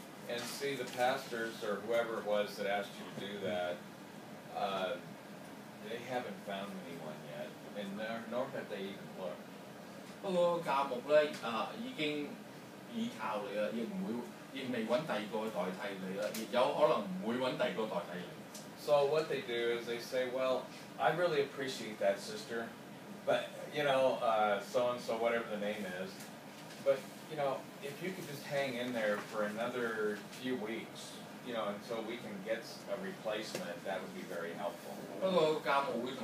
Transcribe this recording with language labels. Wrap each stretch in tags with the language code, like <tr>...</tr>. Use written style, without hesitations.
<en>And see, the pastors or whoever it was that asked you to do that, they haven't found anyone yet, and nor have they even looked.</en> <zh>不过教牧已经依靠你了,也没找第二个代替你了,也有可能不会找第二个代替你。</zh> <en>So what they do is they say, well, I really appreciate that, sister. But, you know, so-and-so, whatever the name is. But, you know, if you could just hang in there for another few weeks, you know, until we can get a replacement, that would be very helpful.</en>